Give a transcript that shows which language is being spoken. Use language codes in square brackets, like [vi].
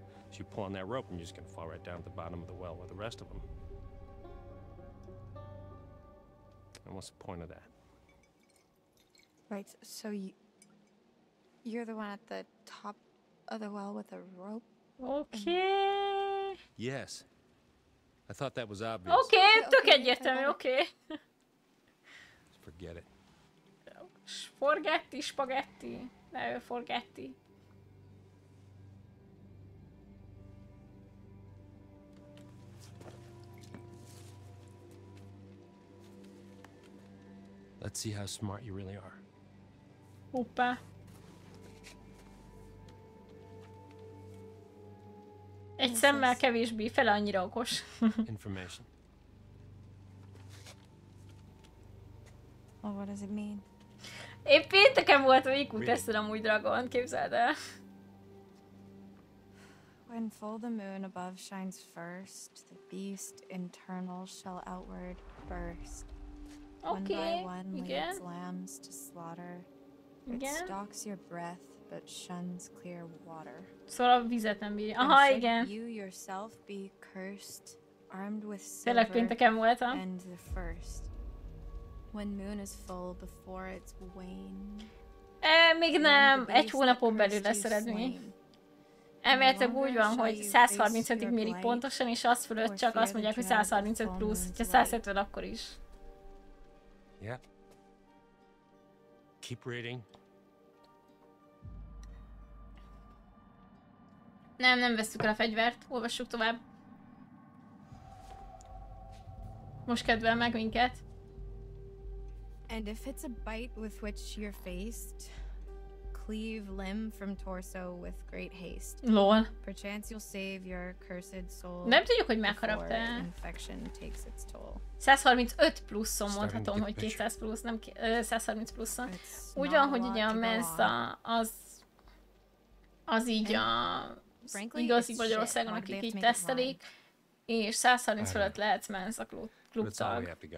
[en] So you pull on that rope and you're just gonna fall right down to the bottom of the well with the rest of them. And what's the point of that? Right, so you're the one at the top of the well with a rope? Okay. Yes. I thought that was obvious. [hu] Okay, tök egyértelmű, okay. [en] Just forget it. Spaghetti, spaghetti. No, forgetti. Let's see how smart you really are. [hu] Hoppa. Egy szemmel kevésbé, fele annyira okos. [en] Information. Well, what does it mean? [hu] Épp pénteken volt, hogy IQ teszel amúgy dragon, képzeld el. [en] When full the moon above shines first, the beast internal shall outward burst. Okay. One by one leads lambs to slaughter. It stalks your breath, but shuns clear water. [hu] Szóval a vizet nem bírja. Aha, igen. [en] You yourself be cursed, armed with silver and the first. When moon is full before its wane. [hu] Még nem. Egy hónapon belül lesz eredmény. Elméletileg úgy van, hogy 135-ig mérik pontosan, és az fölött csak azt mondják, hogy 135 plusz, hogyha 170 akkor is. [en] Yep. Keep reading. [hu] Nem vesztük el a fegyvert. Olvassuk tovább. Most kedvel meg minket. [en] And if it's a bite with which you're faced, cleave limb from torso with great haste. Lol. Perchance you'll save your cursed soul. [hu] Nem tudjuk, hogy megharapta. [en] Infection takes its toll. [hu] 135 pluszon mondhatom, hogy 200 plusz, nem 130 pluszon. Ugyan, hogy ugye a Mensa az így a igazi Magyarországon, akik így tesztelik, és 130 fölött lehet Mensa klubtag.